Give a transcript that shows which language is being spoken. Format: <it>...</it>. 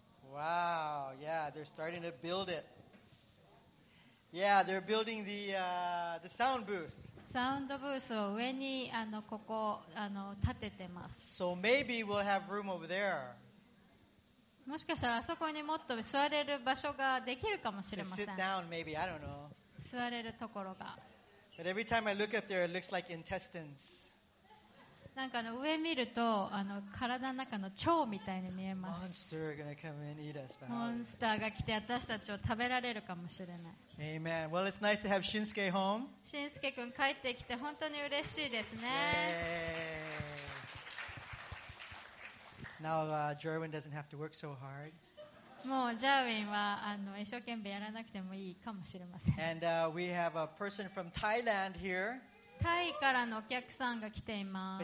<en>Wow. Yeah, they're starting to build it. Yeah, they're building the sound booth.</en> <ja>サウンドブースを上にここ建ててます。</ja> <en>So maybe we'll have room over there.</en> <ja>もしかしたらあそこにもっと座れる場所ができるかもしれません。</ja> <en>Sit down, maybe. I don't know.</en> <ja>座れるところが。</ja> <en>But every time I look up there, it looks like intestines.</en> <ja>なんか上見ると体の中の腸みたいに見えます。</ja> <en>Monster gonna come and eat us,</en> <ja>モンスターが来て私たちを食べられるかもしれない。</ja> <en>Amen. Well, it's nice to have Shinsuke home.</en> <ja>Shinsuke 君帰ってきて本当に嬉しいですね。</ja> <en>Now, Jerwin doesn't have to work so hard.</en> <ja>もうジャーウィンは一生懸命やらなくてもいいかもしれません。</ja> <en>And we have a person from Thailand here.</en> <ja>タイからのお客さんが来ています。</ja>